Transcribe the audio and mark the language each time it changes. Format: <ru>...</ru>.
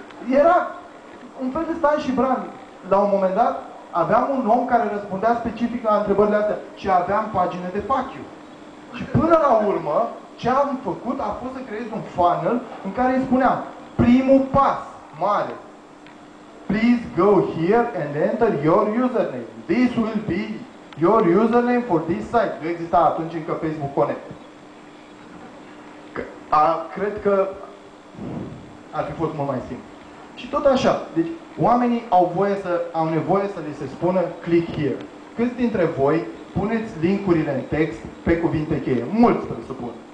<ro>Era un fel de Stan și Bran. La un moment dat, aveam un om care răspundea specific la întrebările astea și aveam pagine de fuck you. Și până la urmă, ce am făcut a fost să creez un funnel în care îi spuneam, primul pas mare,</ro> <en>please go here and enter your username. This will be your username for this site.</en> <ro>Nu exista atunci încă Facebook Connect. Cred că ar fi fost mult mai simplu. Și tot așa, deci oamenii au nevoie să li se spună</ro> <en>click here.</en> <ro>Câți dintre voi puneți linkurile în text pe cuvinte cheie? Mulți, presupun.</ro>